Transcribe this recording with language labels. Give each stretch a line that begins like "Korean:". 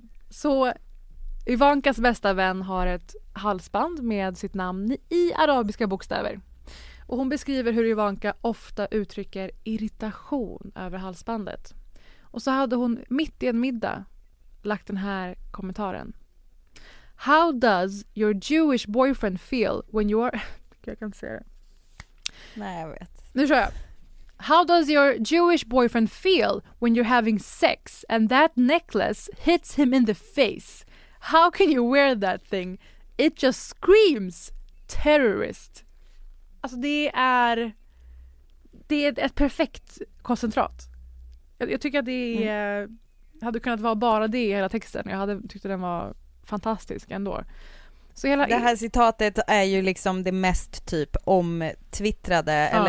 Swedish: Så Ivankas bästa vän har ett halsband med sitt namn i arabiska bokstäver. Och hon beskriver hur Ivanka ofta uttrycker irritation över halsbandet. Och så hade hon mitt i en middag lagt den här kommentaren.
English: How does your Jewish boyfriend feel when you are...
Swedish: Jag kan se det. Nej, jag vet. Nu kör jag.
English: How does your Jewish boyfriend feel when you're having sex and that necklace hits him in the face? How can you wear that thing? It just screams terrorist.
Swedish: Alltså det är ett perfekt koncentrat. Jag tycker att det hade kunnat vara bara det i hela texten. Jag hade tyckt att den var fantastisk ändå. Så hela det här citatet är ju liksom det mest typ omtwittrade. Ja.